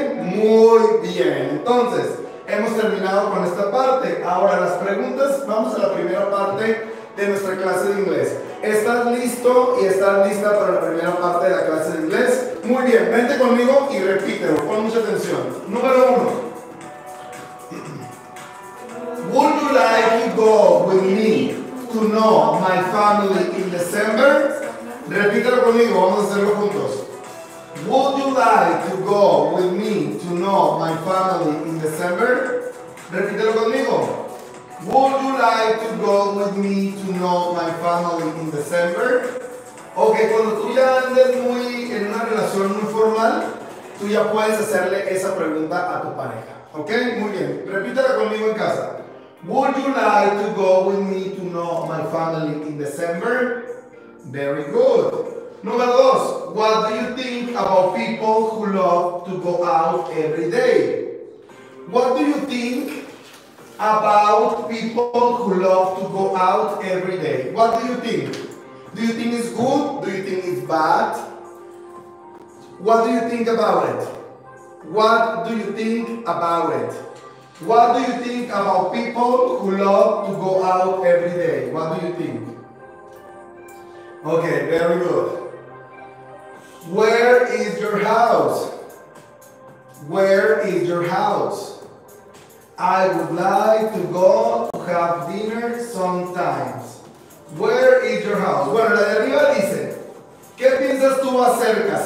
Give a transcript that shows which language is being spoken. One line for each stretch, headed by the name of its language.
Spanish: Muy bien, entonces hemos terminado con esta parte. Ahora las preguntas, vamos a la primera parte de nuestra clase de inglés. ¿Estás listo y estás lista para la primera parte de la clase de inglés? Muy bien, vente conmigo y repítelo, pon mucha atención. Número 1.
English: Would you like to go with me to know my family in December?
Spanish: Repítelo conmigo, vamos a hacerlo juntos.
English: Would you like to go with me to know my family in December?
Spanish: Repítelo conmigo.
English: Would you like to go with me to know my family in December?
Spanish: Ok, cuando tú ya andes muy en una relación muy formal, tú ya puedes hacerle esa pregunta a tu pareja. Ok, muy bien. Repítela conmigo en casa.
English: Would you like to go with me to know my family in December? Very good.
Spanish: Número 2.
English: What do you think about people who love to go out every day? What do you think about people who love to go out every day? What do you think? Do you think it's good? Do you think it's bad? What do you think about it? What do you think about it? What do you think about people who love to go out every day? What do you think? Okay, very good. Where is your house? Where is your house? I would like to go to have dinner sometimes. Where is your house?
Spanish: Bueno, la de arriba dice, ¿qué piensas tú acerca?